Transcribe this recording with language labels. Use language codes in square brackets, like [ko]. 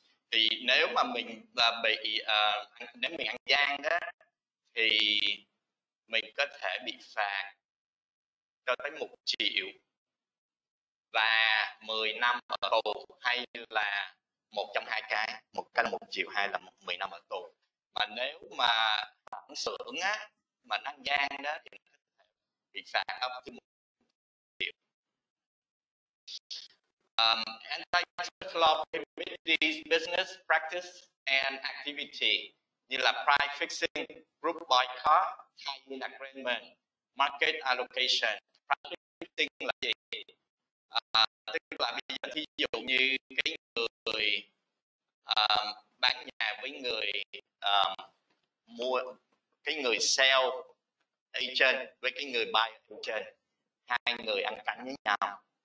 [vi] Thì nếu mà mình bị nếu mình ăn gian đó thì mình có thể bị phạt cho tới 1 triệu và 10 năm ở tù hay là một trong hai cái, một cái là 1 triệu, hai là 10 năm ở tù. Mà nếu mà bản xưởng á mà nó gian đó thì bị phạt [en] up to [vi] 1 triệu. [en] Antitrust law prohibits these business practice and activity [vi] như là [en] price fixing, group boycott, timing agreement, market allocation. [vi] Price fixing là gì? Tức là bây giờ thí dụ như cái người bán nhà với người mua, cái người sell agent với cái người buy agent, hai người ăn cắn với nhau.